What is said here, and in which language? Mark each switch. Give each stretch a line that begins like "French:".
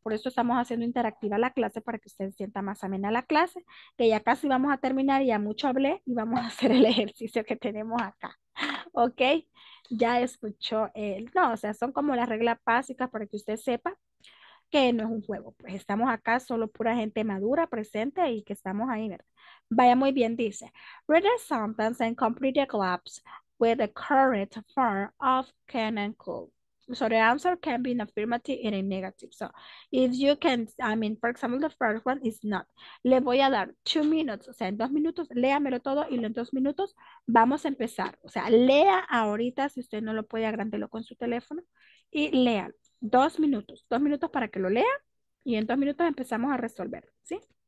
Spanish: Por eso estamos haciendo interactiva la clase, para que usted sienta más amena la clase, que ya casi vamos a terminar, y ya mucho hablé, y vamos a hacer el ejercicio que tenemos acá. Ok, ya escuchó él. No, o sea, son como las reglas básicas para que usted sepa que no es un juego. Pues estamos acá solo pura gente madura, presente, y que estamos ahí, ¿verdad? Vaya, muy bien, dice.
English: Read the sentence and complete the collapse with the correct form of can and could. So the answer can be in affirmative and in negative. So if you can, I mean, for example, the first one is not.
Spanish: Le voy a dar 2 minutes, o sea, en 2 minutos, léamelo todo y en 2 minutos vamos a empezar. O sea, lea ahorita, si usted no lo puede, agrándelo con su teléfono y lea. 2 minutos, 2 minutos para que lo lea y en 2 minutos empezamos a resolver, ¿sí?